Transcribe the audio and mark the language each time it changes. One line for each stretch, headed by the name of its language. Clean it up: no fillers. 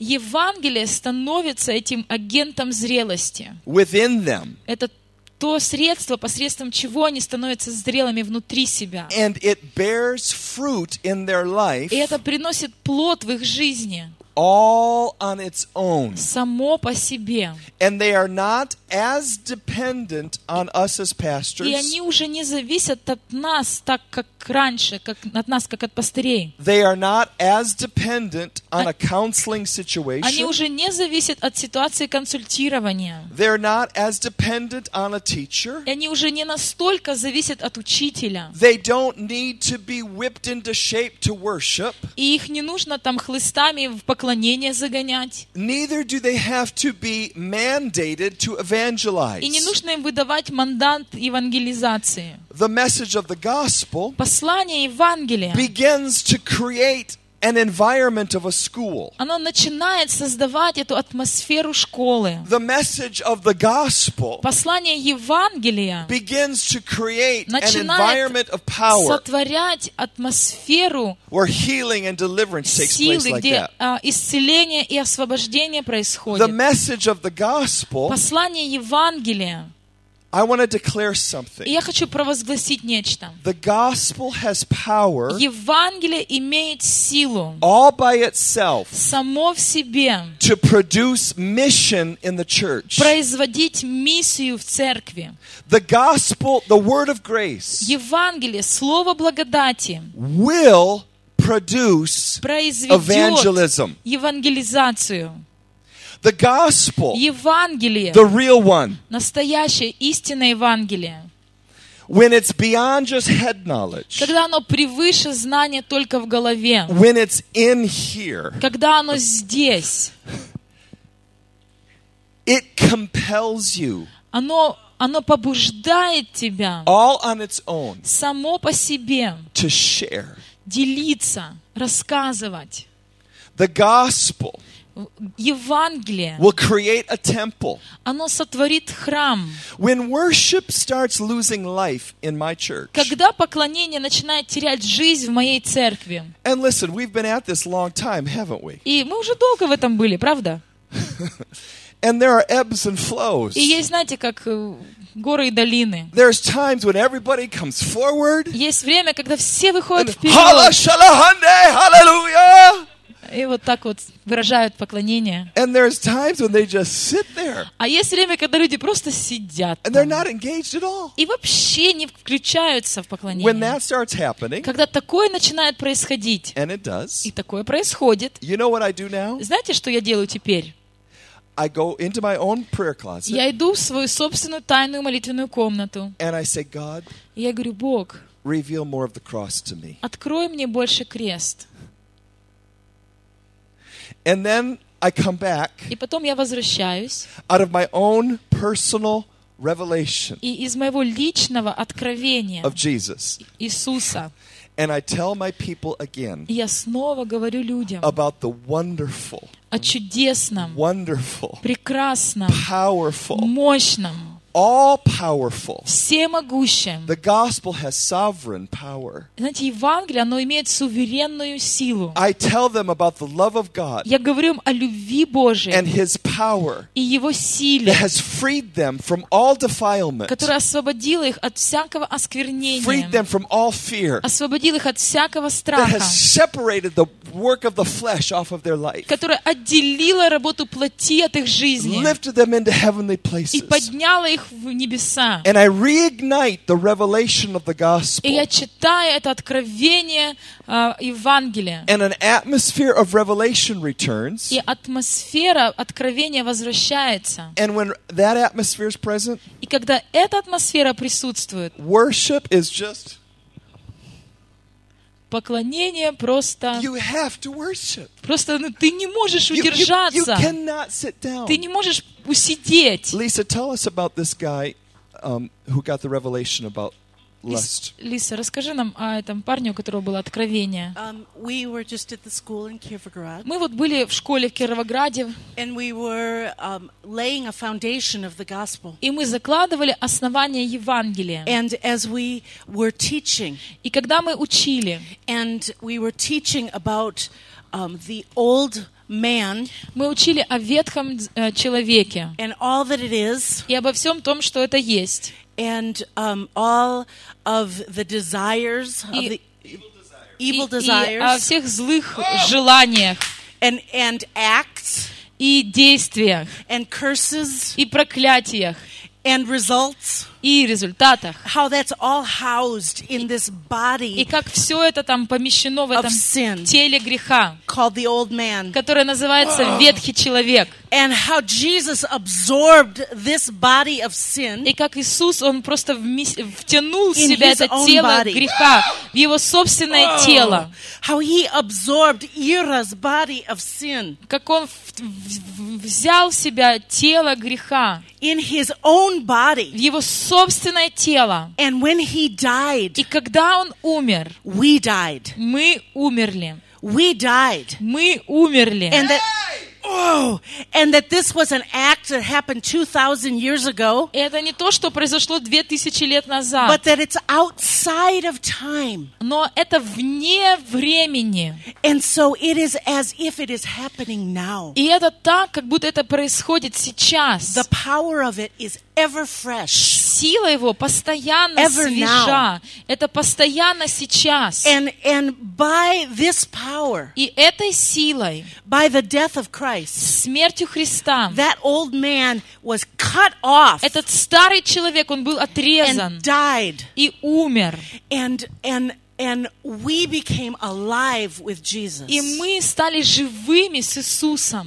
Russian: Евангелие становится этим агентом зрелости.
English: Within them.
Russian: Это то средство, посредством чего они становятся зрелыми внутри себя.
English: And it bears fruit in their life.
Russian: И это приносит плод в их жизни.
English: All on its own.
Russian: Само по себе.
English: And they are not as dependent on us as pastors.
Russian: И они уже не зависят от нас так как раньше, как от нас как от пастырей.
English: They are not as dependent on a counseling situation.
Russian: Они уже не зависят от ситуации консультирования.
English: They are not as dependent on a teacher.
Russian: И они уже не настолько зависят от учителя.
English: They don't need to be whipped into shape to worship.
Russian: И их не нужно там хлыстами в поклонение загонять.
English: Neither do they have to be mandated to evangelize.
Russian: И не нужно им выдавать мандат евангелизации.
English: The message of the gospel.
Russian: Послание Евангелия.
English: Begins to create an environment of a school.
Russian: Оно начинает создавать эту атмосферу школы.
English: The message of the gospel.
Russian: Послание Евангелия.
English: Begins to create an environment of power.
Russian: Сотворять атмосферу.
English: Where healing and deliverance takes place like that.
Russian: Силы, где исцеление и освобождение происходит.
English: The message of the gospel.
Russian: Послание Евангелия.
English: I want to declare something.
Russian: Я хочу провозгласить нечто.
English: The gospel has power.
Russian: Евангелие имеет силу.
English: All by itself.
Russian: Само в себе.
English: To produce mission in the church.
Russian: Производить миссию в церкви.
English: The gospel, the word of grace.
Russian: Евангелие, слово благодати.
English: Will produce evangelism.
Russian: Евангелизацию.
English: The gospel,
Russian: Евангелие,
English: the real one,
Russian: настоящее истинное Евангелие,
English: when it's beyond just head knowledge,
Russian: когда оно превыше знания только в голове,
English: when it's in here,
Russian: когда оно здесь,
English: it compels you,
Russian: оно побуждает тебя
English: all on its own
Russian: само по себе
English: to share.
Russian: Делиться, рассказывать.
English: The gospel
Russian: Евангелие
English: will create a temple.
Russian: Оно сотворит храм.
English: When worship starts losing life in my church.
Russian: Когда поклонение начинает терять жизнь в моей церкви.
English: And listen, we've been at this long time, haven't we?
Russian: И мы уже долго в этом были, правда?
English: And there are ebbs and flows.
Russian: И есть, знаете, как горы и долины.
English: There's times when everybody comes forward.
Russian: Есть время, когда все выходят вперед. Халла шалаханде, халлелуя! И вот так вот выражают поклонение.
English: And there's times when they just sit there.
Russian: А есть время, когда люди просто сидят там.
English: And they're not engaged at all.
Russian: И вообще не включаются в поклонение.
English: When that starts happening,
Russian: когда такое начинает происходить,
English: and it does,
Russian: и такое происходит,
English: you know what I do now?
Russian: Знаете, что я делаю теперь?
English: I go into my own prayer closet.
Russian: Я иду в свою собственную тайную молитвенную комнату.
English: And I say, God,
Russian: я говорю, Бог,
English: reveal more of the cross to me.
Russian: Открой мне больше крест.
English: And then I come back.
Russian: И потом я возвращаюсь.
English: Out of my own personal revelation.
Russian: И из моего личного откровения.
English: Of Jesus.
Russian: Иисуса.
English: And I tell my people again.
Russian: Я снова говорю людям.
English: About the wonderful.
Russian: О чудесном.
English: Wonderful.
Russian: Прекрасном.
English: Powerful.
Russian: Мощном.
English: All powerful.
Russian: Всемогущем.
English: The gospel has sovereign power.
Russian: Знаете, Евангелие, оно имеет суверенную силу.
English: I tell them about the love of God.
Russian: Я говорю им о любви Божией.
English: And his power.
Russian: И его силе.
English: That has freed them from all defilement.
Russian: Которая освободила их от всякого осквернения.
English: Freed them from all fear.
Russian: Освободила их от всякого страха.
English: That has separated the work of the flesh off of their life.
Russian: Которая отделила работу плоти от их жизни.
English: Lifted them into heavenly places.
Russian: И подняла их в небеса.
English: And I reignite the revelation of the gospel.
Russian: И я читаю это откровение Евангелия.
English: And an atmosphere of revelation returns.
Russian: И атмосфера откровения возвращается.
English: And when that atmosphere is present,
Russian: и когда эта атмосфера присутствует,
English: worship is just
Russian: поклонение просто...
English: You have to worship.
Russian: Просто ну, ты не можешь удержаться.
English: You cannot sit down.
Russian: Ты не можешь усидеть.
English: Lisa, tell us about this guy who got the revelation about lust.
Russian: Lisa, расскажи нам о этом парне, у которого было откровение.
English: We were just at the school in Kirovograd.
Russian: Мы вот были в школе в Кировограде.
English: And we were laying a foundation of the gospel.
Russian: И мы закладывали основание Евангелия.
English: And as we were teaching.
Russian: И когда мы учили.
English: And we were teaching about the old man.
Russian: Мы учили о ветхом человеке.
English: And all that it is.
Russian: И обо всем том, что это есть.
English: And all of the desires, evil desires,
Russian: о всех злых желаниях,
English: and acts,
Russian: и действиях,
English: and curses,
Russian: и проклятиях,
English: and results,
Russian: и результатах.
English: How that's all housed in this body,
Russian: и как все это там помещено в этом теле греха,
English: called the old man,
Russian: которое называется ветхий человек.
English: And how Jesus absorbed this body of sin.
Russian: И как Иисус, он просто втянул в себя это тело греха, в его собственное тело.
English: How he absorbed Ira's body of sin.
Russian: Как он взял в себя тело греха.
English: In his own body.
Russian: В его собственное тело.
English: And when he died.
Russian: И когда он умер.
English: We died.
Russian: Мы умерли.
English: We died.
Russian: Мы умерли.
English: And that and that this was an act that happened 2,000 years ago.
Russian: Это не то, что произошло 2000 лет назад.
English: But that it's outside of time.
Russian: Но это вне времени.
English: And so it is as if it is happening now.
Russian: И это так, как будто это происходит сейчас.
English: The power of it is ever fresh.
Russian: Сила его постоянно
English: ever
Russian: свежа.
English: Now.
Russian: Это постоянно сейчас.
English: And by this power.
Russian: И этой силой.
English: By the death of Christ.
Russian: Смертью Христа.
English: That old man was cut off.
Russian: Этот старый человек, он был отрезан.
English: And died.
Russian: И умер.
English: And we became alive with Jesus.
Russian: И мы стали живыми с Иисусом.